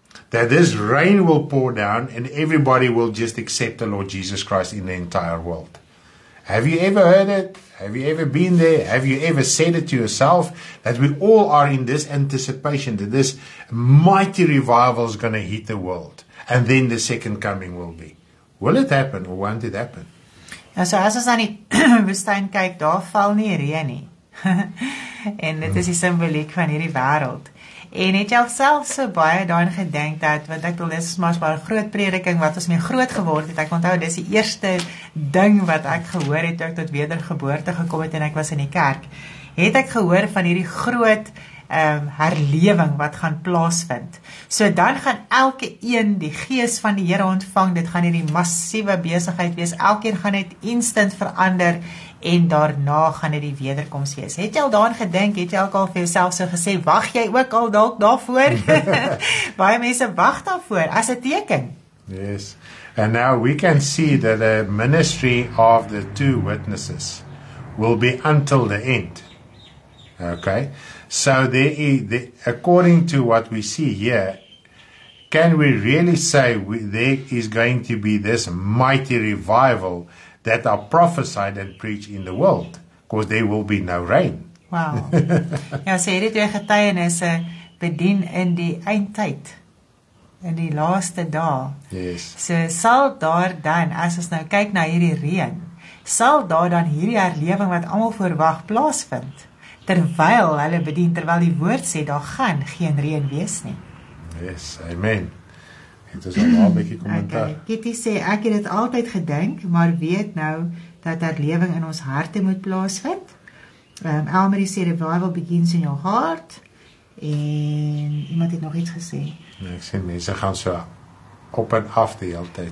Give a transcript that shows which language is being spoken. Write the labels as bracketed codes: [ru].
[en] That this rain will pour down and everybody will just accept the Lord Jesus Christ in the entire world. Have you ever heard it? Have you ever been there? Have you ever said it to yourself? That we all are in this anticipation that this mighty revival is going to hit the world. And then the second coming will be. Will it happen or won't it happen? [af] Ja, so as ons aan die woestijn kyk, daar val nie reën nie. En dit is die simboliek van hierdie wêreld. En het jy self so baie daarin gedink dat, want ek bedoel, dit is maar een groot prediking wat ons mee groot geword het. Ek onthou, dit is die eerste ding wat ek gehoor het, toe ek tot wedergeboorte gekom het en ek was in die kerk. Het ek gehoor van hierdie groot herlewing wat gaan plaasvind. So dan gaan elke een die gees van die Here ontvang, dit gaan hierdie massiewe besigheid wees, elkeen gaan dit instant verander en daarna gaan dit die wederkoms wees. Het jy al daarin gedink, het jy al vir jouself so gesê, wag jy ook al dalk daarvoor? Baie mense wag daarvoor, as 'n teken. [en] Yes, and now we can see that the ministry of the two witnesses will be until the end. Okay, so according to what we see here, can we really say there is going to be this mighty revival that are prophesied and preached in the world? Because there will be no rain. [af] Wow. Ja, sê hierdie twee getuienisse bedien in die eindtyd, in die laaste dae. [en] Yes. [af] So sal daar dan, as ons nou kyk na hierdie reën, sal daar dan hierdie herlewing wat almal verwag plaasvind? Terwyl hulle bedien, terwyl die woord sê, daar gaan geen reën wees nie. [en] Yes, amen. [af] Het is al een bietjie kommentaar. Okay. Kitty sê, ek het dit altyd gedink, maar weet nou, dat herlewing in ons harte moet plaasvind. [en] Elmarie sê, revival begins in your heart. [af] En iemand het nog iets gesê. Nee, ek sê, mense gaan so op en af die hele tyd.